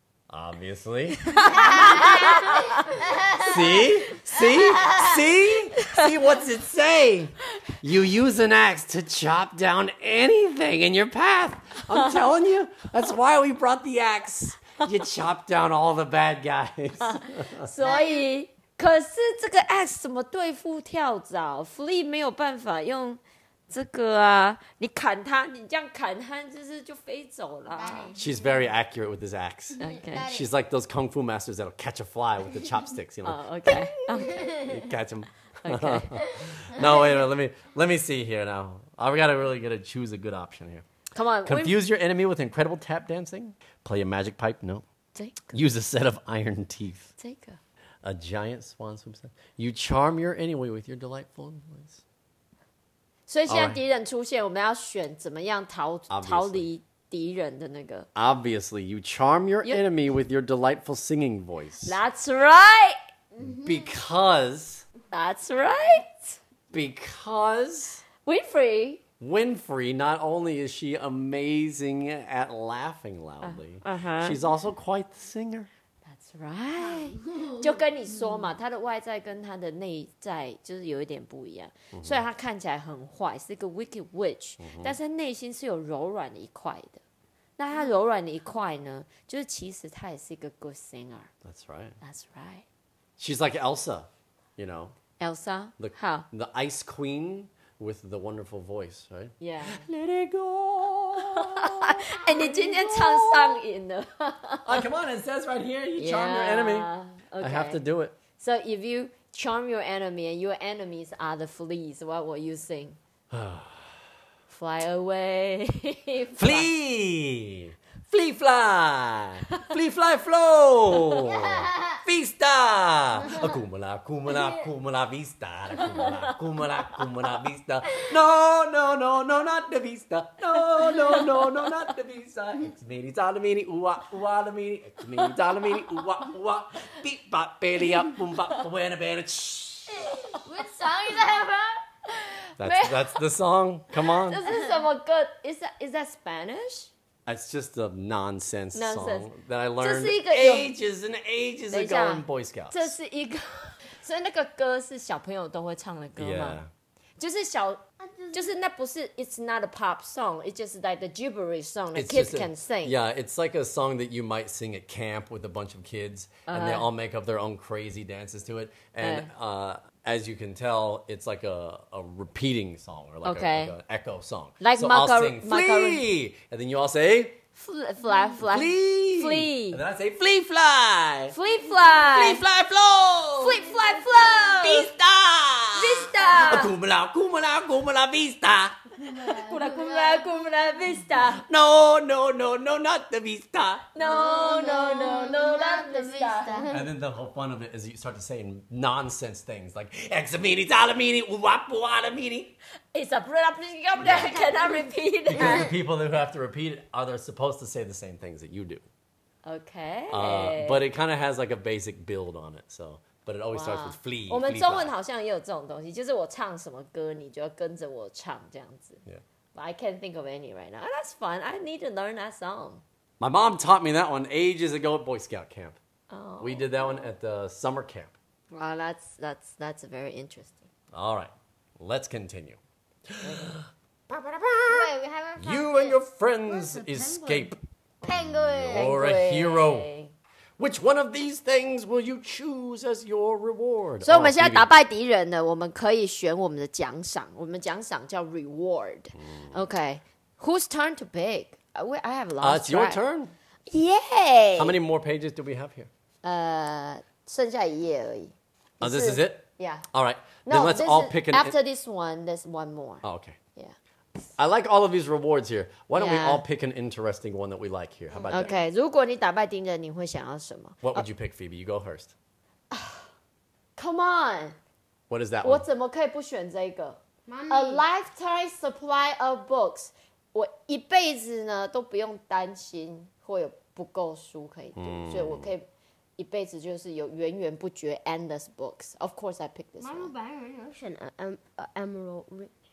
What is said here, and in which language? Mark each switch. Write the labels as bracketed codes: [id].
[en] Obviously. See? See? See? See, what's it say? You use an axe to chop down anything in your path. I'm telling you, that's why we brought the axe. You chop down all the bad guys. [zh] 所以，可是这个 X 怎么对付跳蚤？福利没有办法用这个啊！你砍他，你这样砍他，就飞走了。 [en] She's very accurate with this axe. Okay. She's like those kung fu masters that'll catch a fly with the chopsticks. You know? Okay. Catch him. Okay. No, wait a minute. Let me see here now. We gotta really gotta choose a good option here. Come on. Confuse your enemy with incredible tap dancing. Play a magic pipe. No. Take. Use a set of iron teeth. Take. A giant swan swim set. You charm your enemy with your delightful voice. [zh] 所以现在敌人出现，我们要选怎么样逃离敌人的那个。 [en] Obviously, you charm your enemy with your delightful singing voice. That's right. Because. That's right. Because. Winfrey, not only is she amazing at laughing loudly, she's also quite the singer. That's right. [zh] 就跟你说嘛，她的外在跟她的内在就是有一点不一样。Mm-hmm. 虽然她看起来很坏，是一个 [en] wicked witch,、 [zh] mm-hmm. 但是内心是有柔软的一块的。那她柔软的一块呢，就是其实她也是一个 [en] good singer. That's right. That's right. She's like Elsa, you know. Elsa? The ice queen. With the wonderful voice, right? Yeah. Let it go. And you [zh] 今天唱上瘾了。 [en] Come on, it says right here, you charm your enemy. Okay. I have to do it. So if you charm your enemy and your enemies are the fleas, what will you sing? Fly away. Flee. Flee, fly. Flee, fly, flow. Vista! Akumala, akumala, akumala vista. Akumala, akumala vista. No, no, no, no, not the vista. No, no, no, no, not the vista. Ex-mini, talamini, uwa, uwa, lamini. Ex-mini, talamini, uwa, uwa. Beep, bop, belly up, boom, bop, buena, belly. Shh. What song is that, bro? That's the song. Come on. This is so good. Is that Spanish? It's just a nonsense song that I learned ages ago in Boy Scouts. [zh] 这是一个，所以那个歌是小朋友都会唱的歌吗？ [en] Yeah. [zh] 就是那不是 [en] It's not a pop song. It's just like the gibberish song that、 it's、 kids can sing. Yeah, it's like a song that you might sing at camp with a bunch of kids, and they all make up their own crazy dances to it. And、as you can tell, it's like a repeating song or like an echo song. Like so I'll sing flee, and then you all say fly, fly, flee, and then I say flee, fly, flee, fly, flee, fly, flow, flee, fly, flow, vista, vista, kumala, kumala, kumala, vista, kumala, kumala, kumala, vista. No, no, no, no, not the vista. No, no, no, no, not the vista. And then the whole fun of it is you start to say nonsense things like examini, talamini, uwapu, alamini. It's a bread up, bring up there. I cannot repeat it. Because the people who have to repeat it are they supposed to say the same things that you do. Okay. But it kind of has like a basic build on it. So, but it always starts with flee. [zh] 我们中文好像也有这种东西，就是我唱什么歌，你就要跟着我唱这样子。 [en] Yeah. I can't think of any right now. Oh, that's fun. I need to learn that song. My mom taught me that one ages ago at Boy Scout camp. Oh. We did that one at the summer camp. Wow, that's very interesting. All right, let's continue. Wait, you and your friends escape. Penguin. You're a hero. Which one of these things will you choose as your reward? So we're now defeating the enemy. We can choose our reward. Our reward is called reward. Okay. Whose turn to pick? I have lost. It's your turn. Yay! How many more pages do we have here? [zh] 剩下一页而已. [en] Oh, this is it? Yeah. All right. No, then let's all pick an after this one. There's one more. Oh, okay. Yeah. I like all of these rewards here. Why don't we all pick an interesting one that we like here? How about okay, that? [zh] Okay, 如果你打敗敵人，你會想要什麼? [en] What would you pick, Phoebe? You go first. Come on. What is that [zh] 我怎麼可以不選這個? [en] A lifetime supply of books. [zh] 我一輩子呢都不用擔心會有不夠書可以讀,所以我可以一輩子就是有源源不絕 [en] endless books. Of course I pick this one. [zh] 我本來有選 Emerald Ring.